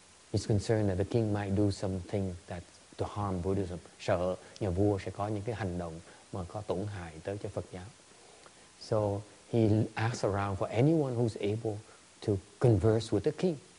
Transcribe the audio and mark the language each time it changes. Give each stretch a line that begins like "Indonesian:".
English: He's concerned that the king might do something that to harm Buddhism.
Vietnamese: Sợ nhà vua sẽ có những cái hành động mà có tổn hại tới cho Phật giáo.
English: So he asks around for anyone who's able to converse with the king.